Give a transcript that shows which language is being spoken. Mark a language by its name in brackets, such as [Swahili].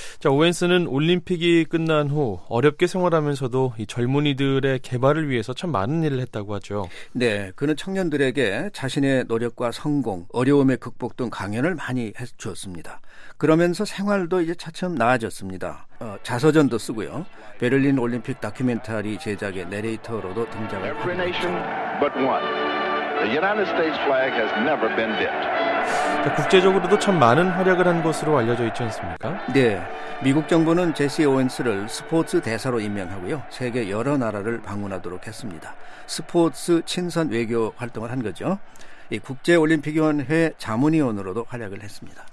[Korean] 자, 오웬스는 올림픽이 끝난 후 어렵게 생활하면서도 이 젊은이들의 개발을 위해서 참 많은 일을 했다고 하죠. 네. 그는 청년들에게 자신의 노력과 성공, 어려움의 극복 등 강연을 많이 해 주었습니다. 그러면서 생활도 이제 차츰 나아졌습니다. 자서전도 쓰고요. 베를린 올림픽 다큐멘터리 제작의 내레이터로도 등장을 합니다. [English] Every nation but one. The United States flag has never been dipped. [Korean] 자, 국제적으로도 참 많은 활약을 한 것으로 알려져 있지 않습니까? 네. 미국 정부는 제시 오웬스를 스포츠 대사로 임명하고요. 세계 여러 나라를 방문하도록 했습니다. 스포츠 친선 외교 활동을 한 거죠. 이 국제올림픽위원회 자문위원으로도 활약을 했습니다.